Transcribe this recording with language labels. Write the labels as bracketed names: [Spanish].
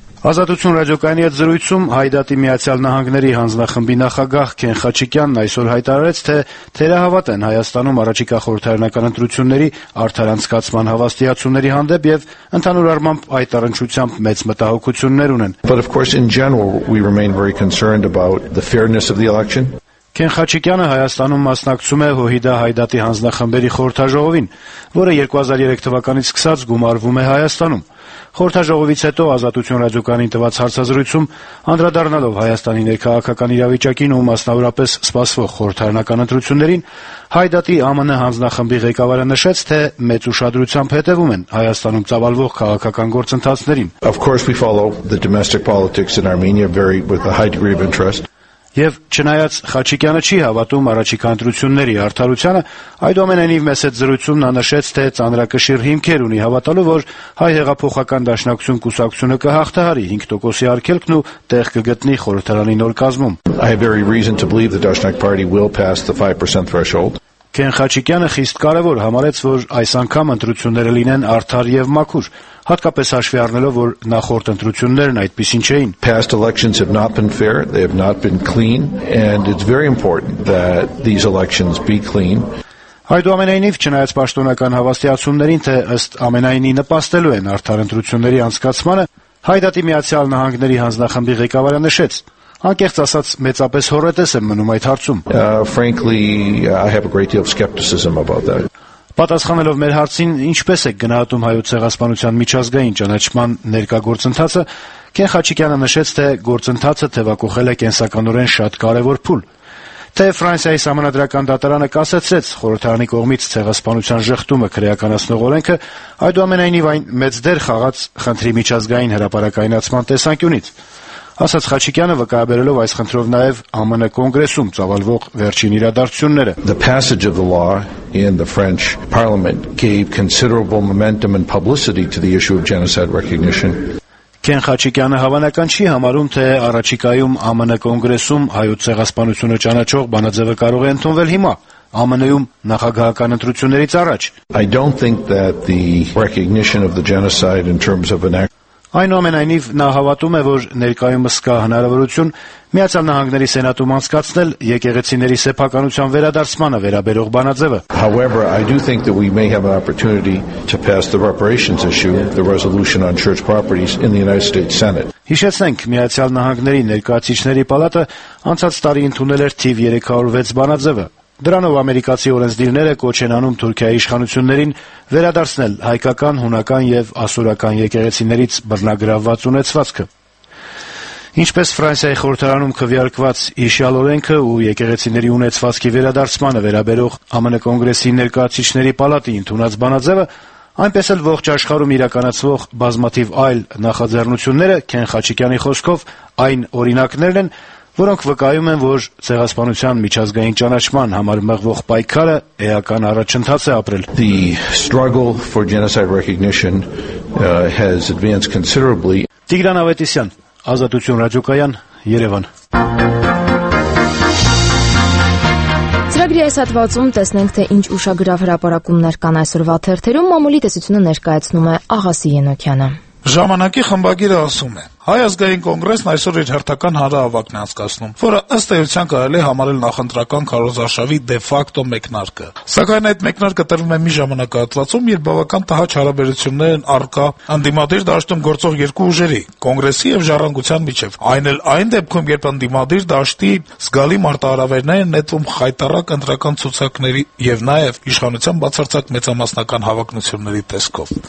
[Armenian] Ազատություն ռադիոկայանի հետ զրույցում Հայդատի Միացյալ Նահանգների հանձնախմբի նախագահ Քեն Խաչիկյանն այսօր հայտարարեց, թե թերահավատ են Հայաստանում առաջիկա խորհրդարանական ընտրությունների արդար անցկացման հավաստիացումների հանդեպ եւ ընդհանուր առմամբ այդ առնչությամբ մեծ մտահոգություններ ունեն։ [English] But of course in general we remain very concerned about the fairness of the election. [Armenian] Քեն Խաչիկյանը Հայաստանում մասնակցում է Հոհիդա Հայդատի հանձնախմբերի խորհրդաժողովին, որը 2003 թվականից սկսած գումարվում է Հայաստանում։ Խորհրդաժողովից հետո Ազատություն ռադիոկայանին տված հարցազրույցում, անդրադառնալով Հայաստանի ներքաղաքական իրավիճակին ու մասնավորապես սպասվող խորհրդարանական ընտրություններին, Հայդատի ԱՄՆ հանձնախմբի ղեկավարը նշեց, թե մեծ ուշադրությամբ հետևում են Հայաստանում ծավալվող քաղաքական գործընթացներին։ [English] Of course we follow the domestic politics in Armenia very with a high degree of interest. [Armenian] Եվ չնայած Խաչիկյանը չի հավատում առաջիկա ընտրությունների արդարությանը, այդուամենայնիվ մեզ հետ զրույցում նա նշեց, թե ծանրակշիռ հիմքեր ունի հավատալու, որ հայ հեղափոխական դաշնակցություն կուսակցությունը կհաղթահարի 5% արգելքն ու տեղ կգտնի խորհրդարանի նոր կազմում։ [English] I have very reason to believe the Dashnak party will pass the 5% threshold. [Armenian] Քեն Խաչիկյանը խիստ կարևոր համարեց, որ այս անգամ ընտրությունները լինեն արդար եւ մաքուր, հատկապես հաշվի առնելով, որ նախորդ ընտրություններն այդպիսին չէին։ [English] Past elections have not been fair, they have not been clean, and it's very important that these elections be clean. [Armenian] Այդուամենայնիվ, չնայած պաշտոնական հավաստիացումներին, թե ըստ ամենայնի նպաստելու են արդար ընտրությունների անցկացմանը, Հայդատի Միացյալ Նահանգների հանձնախմբի ղեկավարը նշեց, անկեղծ ասած մեծապես հորետես եմ մնում այդ հարցում։ [English] Frankly, I have a great deal of skepticism about that. [Armenian] Պատասխանելով մեր հարցին, ինչպես եք գնահատում հայոց ցեղասպանության միջազգային ճանաչման ներկա գործընթացը, Քեն Խաչիկյանը նշեց, թե գործընթացը թևակոխել է կենսականորեն շատ կարևոր փուլ, թե Ֆրանսիայի համանդրական դատարանը կասեցրեց խորհրդարանի կողմից ցեղասպանության ժխտումը քրեականացնող օրենքը, այդուամենայնիվ այն մեծ դեր խաղաց խնդրի միջազգային հրապարակայնացման տեսանկյունից, ասաց Խաչիկյանը, վկայաբերելով այս խնդրով նաև ԱՄՆ կոնգրեսում ծավալվող վերջին իրադարձությունները. [English] The passage of the law in the French Parliament gave considerable momentum and publicity to the issue of genocide recognition. [Armenian] Քեն Խաչիկյանը հավանական չի համարում, թե առաջիկայում ԱՄՆ կոնգրեսում հայոց ցեղասպանությունը ճանաչող բանաձևը կարող է ընդունվել հիմա, ԱՄՆ-ում նախագահական ընտրություններից առաջ. [English] I don't think that the recognition of the genocide in terms of an act. [Armenian] Այնուամենայնիվ նա հավատում է, որ ներկայումս կա հնարավորություն Միացյալ Նահանգների սենատում անցկացնել եկեղեցիների սեփականության վերադարձմանը վերաբերող բանաձևը. [English] However, I do think that we may have an opportunity to pass the reparations issue, the resolution on church properties in the United States Senate. [Armenian] Հիշեցնենք, Միացյալ Նահանգների ներկայացիչների պալատը անցած տարի ընդունել էր թիվ 306 բանաձևը։ Դրանով ամերիկացի օրենսդիրները կոչ են անում Թուրքիայի իշխանություններին վերադարձնել հայկական, հունական եւ ասորական եկեղեցիներից բռնագրաված ունեցվածքը։ Ինչպես Ֆրանսիայի խորհրդարանում քվեարկված հիշյալ օրենքը ու եկեղեցիների ունեցվածքի վերադարձմանը վերաբերող ԱՄՆ կոնգրեսի ներկայացիչների պալատի ընդունած բանաձևը, այնպես էլ ողջ աշխարհում իրականացվող բազմաթիվ այլ նախաձեռնությունները Քեն Խաչիկյանի խոսքով այն օրինակներն են, որոնք վկայում են, որ ցեղասպանության միջազգային ճանաչման համար մեղվող պայքարը էական առաջընթաց է ապրել. The struggle for genocide recognition has advanced considerably. Տիգրան Ավետիսյան, Ազատություն ռադիոկայան, Երևան. Ծրագրի այս հատվածում տեսնենք, թե ինչ ուշագրավ հրապարակումներ կան այսօրվա թերթերում, մամուլի տեսությունը ներկայացնում է Աղասի Ենոքյանը. Ժամանակի խմբագիրը ասում է. Հայ ազգային կոնգրեսն այսօր իր հերթական հանրահավաքն է անցկացնում, որը ըստ էության կարելի է համարել նախընտրական քարոզարշավի դեֆակտո մեկնարկը։ Սակայն այդ մեկնարկը տրվում է մի ժամանակահատվածում, երբ բավական տհաճ հարաբերություններ են առկա անդիմադիր դաշտում գործող երկու ուժերի՝ կոնգրեսի եւ ժառանգության միջև։ Այն էլ այն դեպքում, երբ անդիմադիր դաշտի զգալի մարտահրավերները նետվում խայտառակ ընտրական ցուցակների եւ նաեւ իշխանության բացարձակ մեծամասնական հավակնությունների տեսքով։